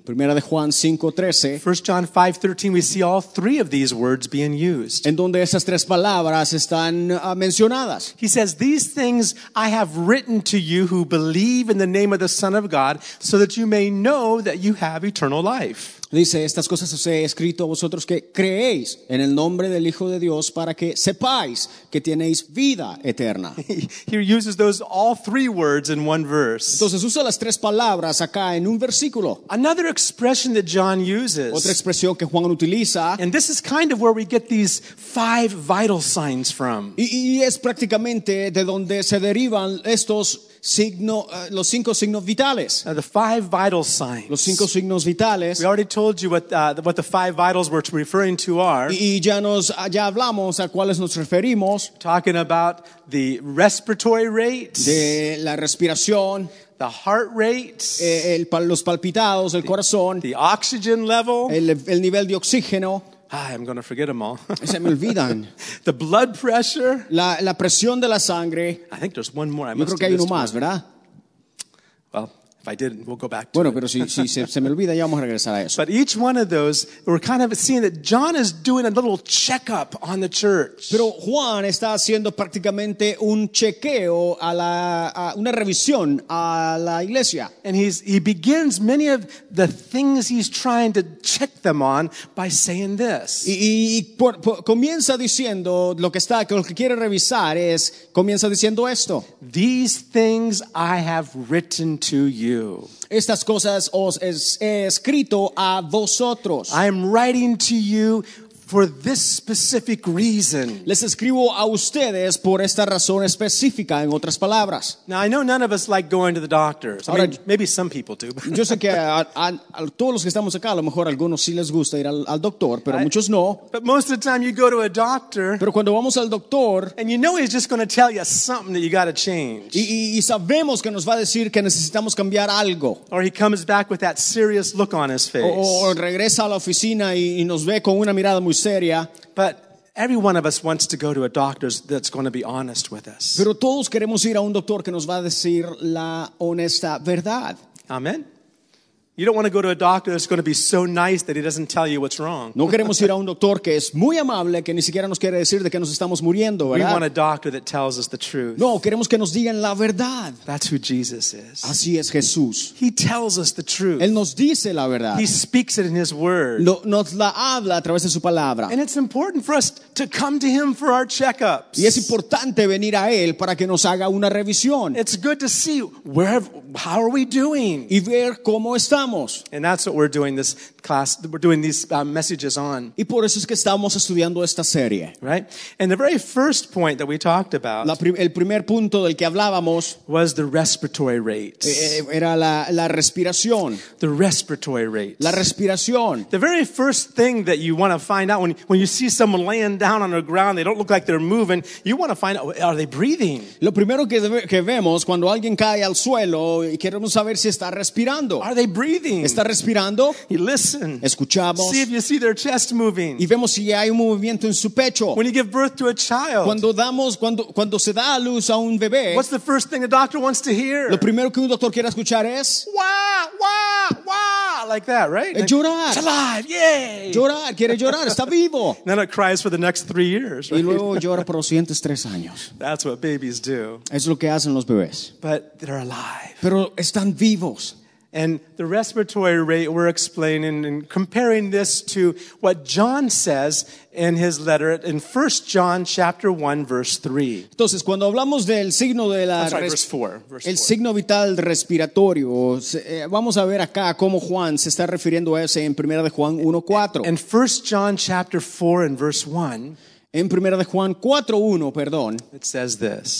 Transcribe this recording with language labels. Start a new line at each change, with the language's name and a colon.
Spanish: Primera de Juan 5:13.
English: 1 John 5:13 we see all three of these words being used.
Spanish: En donde esas tres palabras están mencionadas.
English: He says these things I have written to you who believe in the name of the Son of God so that you may know that you have eternal life.
Spanish: Dice, estas cosas os he escrito a vosotros que creéis en el nombre del Hijo de Dios para que sepáis que tenéis vida eterna.
English: He uses those all three words in one verse.
Spanish: Entonces usa las tres palabras acá en un versículo.
English: Another expression that John uses.
Spanish: Otra expresión que Juan utiliza.
English: And this is kind of where we get these five vital signs from.
Spanish: Y es prácticamente de donde se derivan estos los cinco signos vitales.
English: The five vital signs.
Spanish: Los cinco signos vitales.
English: We already told you what the five vitals we're referring to are.
Spanish: Y ya hablamos a cuáles nos referimos.
English: Talking about the respiratory rate.
Spanish: De la respiración.
English: The heart rate.
Spanish: Los palpitados del corazón.
English: The oxygen level.
Spanish: El nivel de oxígeno.
English: I'm going to forget them all.
Spanish: Se me olvidan.
English: The blood pressure.
Spanish: La presión de la sangre.
English: I think there's one more.
Spanish: Yo creo que hay uno más, ¿verdad?
English: Well, if I didn't, we'll go back to
Spanish: bueno,
English: it.
Spanish: Pero si se me olvida, ya vamos a regresar a eso.
English: But each one of those, we're kind of seeing that John is doing a little checkup on the church.
Spanish: Pero Juan está haciendo prácticamente un chequeo, una revisión a la iglesia.
English: And he begins many of the things he's trying to check them on by saying this.
Spanish: Comienza diciendo lo que quiere revisar es, comienza diciendo esto.
English: These things I have written to you.
Spanish: Estas cosas os he escrito a vosotros.
English: I am writing to you for this specific reason.
Spanish: Les escribo a ustedes por esta razón específica, en otras palabras.
English: Now, I know none of us like going to the doctors.
Spanish: Ahora,
English: I mean, maybe some people do.
Spanish: Yo sé que a todos los que estamos acá, a lo mejor a algunos sí les gusta ir al doctor, pero muchos no.
English: But most of the time you go to a doctor.
Spanish: Pero cuando vamos al doctor.
English: And you know he's just going to tell you something that you got to change.
Spanish: Y sabemos que nos va a decir que necesitamos cambiar algo.
English: Or he comes back with that serious look on his face.
Spanish: O regresa a la oficina y nos ve con una mirada muy seria.
English: But every one of us wants to go to a doctor that's going to be honest with us.
Spanish: Pero todos queremos ir a un doctor que nos va a decir la honesta verdad.
English: Amen. You don't want to go to a doctor that's going to be so nice that he doesn't tell you what's wrong.
Spanish: No queremos ir a un doctor que es muy amable, que ni siquiera nos quiere decir de qué nos estamos muriendo, ¿verdad?
English: We want a doctor that tells us the truth.
Spanish: No, queremos que nos digan la verdad.
English: That's who Jesus is.
Spanish: Así es Jesús.
English: He tells us the truth.
Spanish: Él nos dice la verdad.
English: He speaks it in his word.
Spanish: Nos la habla a través de su palabra.
English: And it's important for us to come to him for our checkups.
Spanish: Y es importante venir a él para que nos haga una revisión.
English: It's good to see how are we doing?
Spanish: Y ver cómo está.
English: And that's what we're doing this class, we're doing these messages on.
Spanish: Y por eso es que estamos estudiando esta serie.
English: Right? And the very first point that we talked about
Spanish: el primer punto del que hablábamos
English: was the respiratory rate.
Spanish: Era la respiración.
English: The respiratory rate.
Spanish: La respiración.
English: The very first thing that you want to find out when you see someone laying down on the ground, they don't look like they're moving, you want to find out, are they breathing?
Spanish: Lo primero que vemos cuando alguien cae al suelo y queremos saber si está respirando.
English: Are they breathing?
Spanish: ¿Está respirando?
English: You listen.
Spanish: Escuchamos.
English: See if you see their chest moving.
Spanish: Y vemos si hay un movimiento en su pecho.
English: When you give birth to a child.
Spanish: Cuando se da a luz a un bebé.
English: What's the first thing a doctor wants to hear?
Spanish: Lo primero que un doctor quiere escuchar es
English: wah, wah, wah, like that, right?
Spanish: Llorar.
English: It's alive, yay!
Spanish: Llorar, quiere llorar, está vivo.
English: Then it cries for the next 3 years. Right?
Spanish: Y luego llora por los siguientes 3 años.
English: That's what babies do.
Spanish: Es lo que hacen los bebés.
English: But they're alive.
Spanish: Pero están vivos.
English: And the respiratory rate, we're explaining and comparing this to what John says in his letter in 1 John chapter 1, verse 3.
Spanish: Entonces, cuando hablamos del signo de la el signo vital respiratorio, vamos a ver acá cómo Juan se está refiriendo a ese en 1 Juan 1:4.
English: And 1 John chapter 4 and verse 1.
Spanish: En 1 de Juan 4:1, perdón.
English: It says this.